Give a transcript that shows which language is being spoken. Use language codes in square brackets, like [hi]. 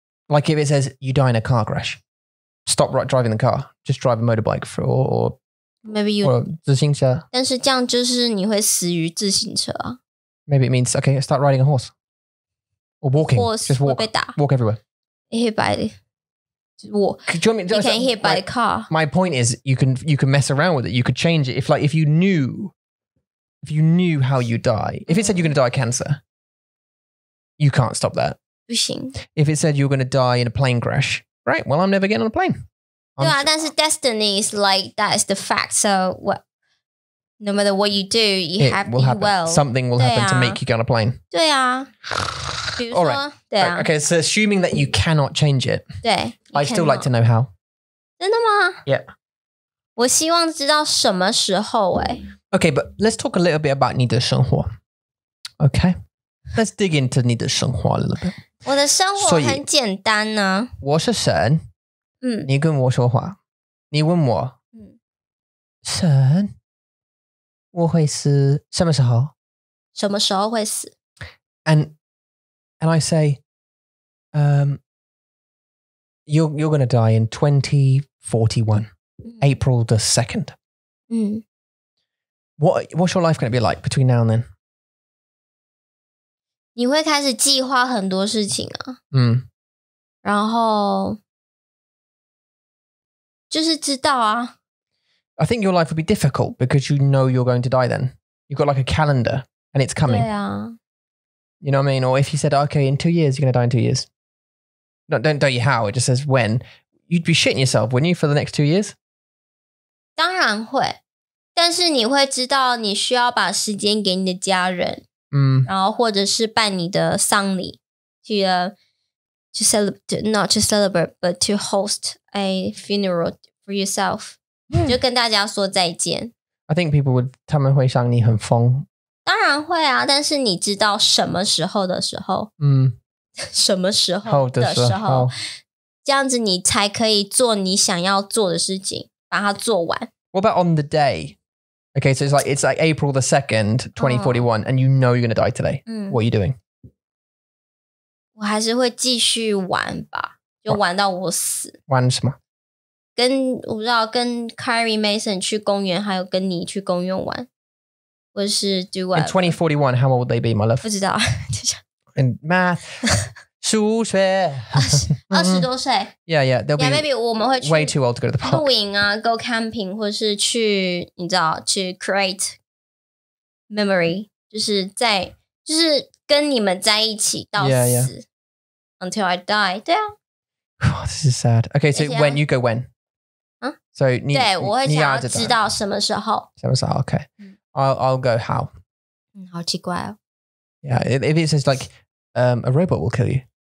[en] Like if it says you die in a car crash, stop driving the car. Just drive a motorbike or maybe you [zh] or 自行车。但是这样就是你会死于自行车啊。 [en] Maybe it means okay, start riding a horse or walking. Horse just walk, [zh] 会被打。 [en] Walk everywhere. Hit by the, you can hit by the car. My point is, you can mess around with it. You could change it if you knew how you die. If it said you're going to die of cancer. You can't stop that. [zh] 不行。 [en] If it said you're going to die in a plane crash, right? Well, I'm never getting on a plane. [zh] 对啊，但是 [en] destiny is like, that is the fact. So what, no matter what you do, you have will happen. You will. Something will happen to make you get on a plane. [zh] 对啊。比如说, [en] All right. [zh] 对啊。 [en] Okay, so assuming that you cannot change it. [zh] 对。 [en] I'd still like to know how. [zh] 真的吗? [en] Yeah. [zh] 我希望知道什么时候诶。 [en] Okay, but let's talk a little bit about [zh] 你的生活。 [en] Okay. Let's dig into [zh] 你的生活 [en] a little bit. [zh] 我的生活很简单呢。我是神。嗯。你跟我说话。你问我。嗯。神。我会死什么时候? 什么时候会死? [en] And I say, you're going to die in 2041, April the 2nd. [zh] 嗯。 [en] What's your life going to be like between now and then? [zh] 你会开始计划很多事情啊。嗯。然后。就是知道啊。 [en] I think your life will be difficult because you know you're going to die then. You've got like a calendar and it's coming. [zh] 对啊。 [en] You know what I mean? Or if you said, okay, in 2 years, you're going to die in 2 years. No, don't tell you how, it just says when. You'd be shitting yourself, wouldn't you, for the next 2 years? [zh] 当然会。但是你会知道你需要把时间给你的家人。嗯，然后或者是办你的丧礼，去 [en] celebrate, not to celebrate, but to host a funeral for yourself, [zh] 就跟大家说再见。 [en] I think people would, [zh] 他们会想你很疯。当然会啊，但是你知道什么时候的时候，嗯，什么时候的时候，这样子你才可以做你想要做的事情，把它做完。 [en] What about on the day? Okay, so it's like April the 2nd, 2041, and you know you're going to die today. What are you doing? [zh] 我还是会继续玩吧，就玩到我死。玩什么？跟，我不知道，跟 Kyrie Mason 去公园，还有跟你去公园玩，或是 [en] do what? In 2041, how old would they be, my love? [zh] 不知道。 [en] In math, 数学。 [zh] 20多岁。 [en] Yeah, yeah. They'll yeah, maybe [zh] 我们会去 [en] way too old to go to the park. [zh] 露营啊 ， [en] go camping， [zh] 或是去你知道去 [en] create memory， [zh] 就是在就是跟你们在一起到死 [en] yeah, yeah. until I die. 对啊。 Oh, this is sad. Okay, so when you go when? [zh] 啊、 [en] So 你 [zh] 对我会想要知道什么时候？什么时候 [en] ？Okay. I'll go how. [zh] 嗯，好奇怪哦。 [en] Yeah, if it says like a robot will kill you.